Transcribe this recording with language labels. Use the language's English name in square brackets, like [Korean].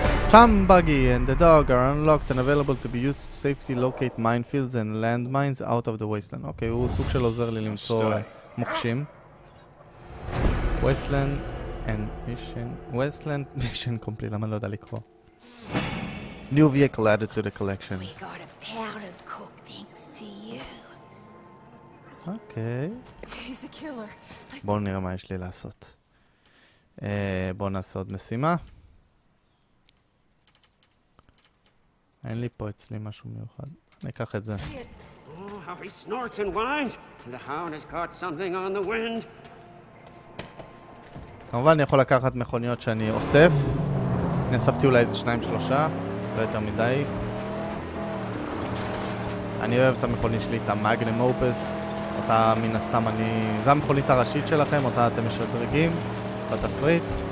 [English] Chum Buggy and the dog are unlocked and available to be used to safely locate minefields and landmines out of the wasteland. [Hebrew] Okay, הוא סוג של עוזר לי למצוא מוקשים. [English] Wasteland and mission... Wasteland mission complete, [Hebrew] למה לא יודע לקרוא? [English] New vehicle added to the collection. We got a powdered cook thanks to you. Okay. He's a killer. [Hebrew] בואו נראה מה יש לי לעשות. בואו נעשה עוד משימה. אין לי פה אצלי משהו מיוחד. ניקח את זה. [English] Oh, how he snorts and whined. The hound has caught something on the wind. [Hebrew] כמובן אני יכול לקחת מכוניות שאני אוסף. אני אספתי אולי איזה 2-3. לא יותר מדי. אני אוהב את המכונית שלי, את המאגנם אופוס. אותה מן הסתם אני... זה המכונית הראשית שלכם, אותה אתם משדרגים בתפריט.